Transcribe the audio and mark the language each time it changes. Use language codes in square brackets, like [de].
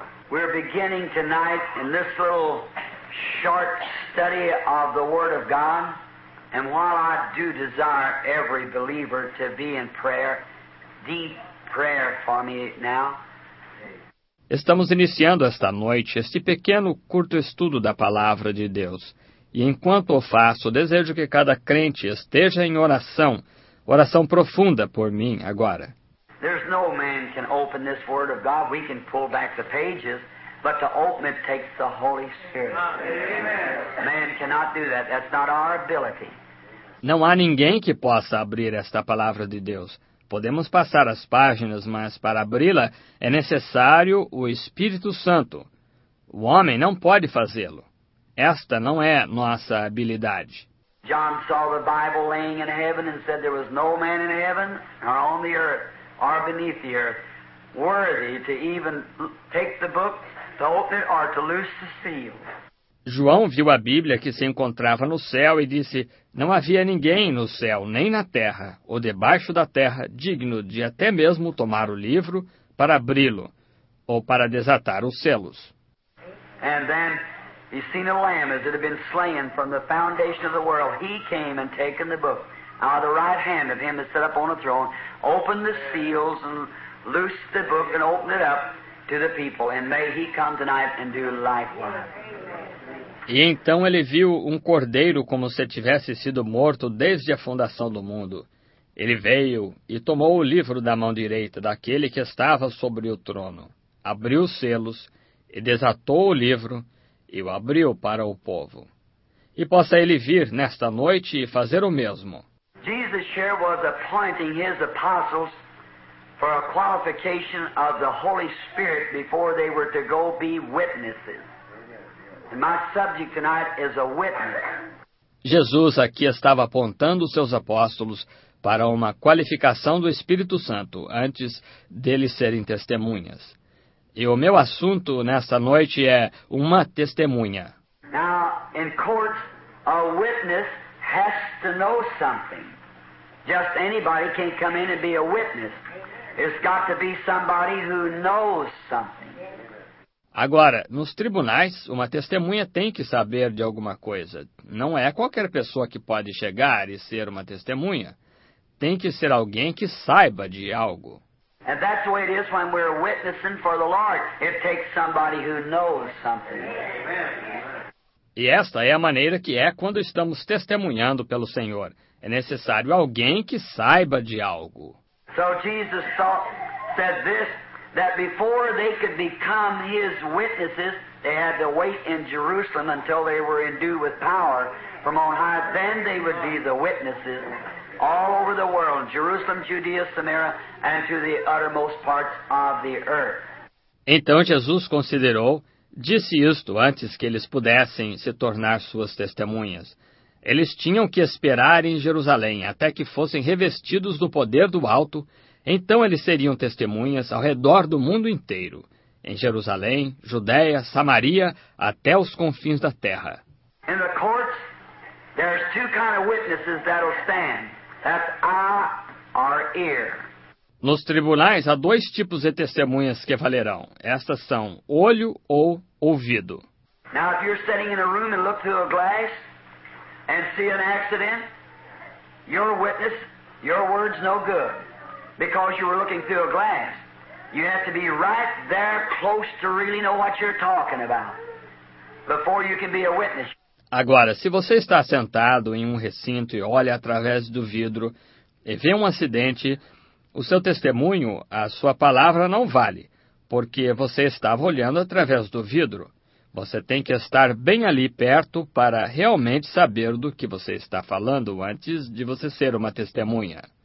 [en] We're beginning tonight in this little short study of the Word of God, and while I do desire every believer to be in prayer, deep prayer for me now. [pt] Estamos iniciando esta noite este pequeno curto estudo da Palavra de Deus. E enquanto o faço, desejo que cada crente esteja em oração, oração profunda por mim agora. [en] There's no man can open this word of God. We can pull back the pages, but to open it takes the Holy Spirit. Amen. Man cannot do that. That's not our ability. [pt] Não há ninguém que possa abrir esta palavra de Deus. Podemos passar as páginas, mas para abri-la é necessário o Espírito Santo. O homem não pode fazê-lo. Esta não é nossa habilidade. [en] John saw the Bible laying in heaven and said there was no man in heaven or on the earth or beneath the earth worthy to even take the book, to open it or to loose the seal. [pt] João viu a Bíblia que se encontrava no céu e disse: não havia ninguém no céu, nem na terra, ou debaixo da terra, digno de até mesmo tomar o livro para abri-lo ou para desatar os selos. [en] And then he seen a lamb as it had been slain from the foundation of the world. He came and taken the book out of the right hand of him that sat upon the throne, opened the seals and loosed the book and opened it up to the people. And may he come tonight and do likewise. [pt] E então ele viu um cordeiro como se tivesse sido morto desde a fundação do mundo. Ele veio e tomou o livro da mão direita daquele que estava sobre o trono, abriu os selos e desatou o livro, e o abriu para o povo. E possa ele vir nesta noite e fazer o mesmo. [en] Jesus here was appointing his apostles for a qualification of the Holy Spirit before they were to go be witnesses. And my subject tonight is a witness. [pt] Jesus aqui estava apontando seus apóstolos para uma qualificação do Espírito Santo antes deles serem testemunhas. E o meu assunto nesta noite é uma testemunha. [en] Now, in court, a witness has to know something. Just anybody can't come in and be a witness. It's got to be somebody who knows something. [pt] Agora, nos tribunais, uma testemunha tem que saber de alguma coisa. Não é qualquer pessoa que pode chegar e ser uma testemunha. Tem que ser alguém que saiba de algo. [en] And that's the way it is when we're witnessing for the Lord. It takes somebody who knows something. [pt] E esta é a maneira que é quando estamos testemunhando pelo Senhor. É necessário alguém que saiba de algo. [en] So Jesus said this, that before they could become his witnesses, they had to wait in Jerusalem until they were endued with power from on high. Then they would be the witnesses all over the world, Jerusalem, Judea, Samaria, and to the uttermost parts of the earth. [pt] Então Jesus considerou, disse isto antes que eles pudessem se tornar suas testemunhas. Eles tinham que esperar em Jerusalém até que fossem revestidos do poder do alto. Então eles seriam testemunhas ao redor do mundo inteiro, em Jerusalém, Judeia, Samaria, até os confins da terra. [en] In the courts, there's two kind of witnesses that'll stand. That's eye or ear. [pt] Nos tribunais, há dois tipos de testemunhas que valerão. Estas são olho ou ouvido. [en] Now, if you're sitting in a room and look through a glass and see an accident, your witness, your word's no good. Because you were looking through a glass, you have to be right there close to really know what you're talking about before you can be a witness. [pt] Agora, se você está sentado em um recinto e olha através do vidro e vê um acidente, o seu testemunho, a sua palavra não vale, porque você estava olhando através do vidro. Você tem que estar bem ali perto para realmente saber do que você está falando antes de você ser uma testemunha.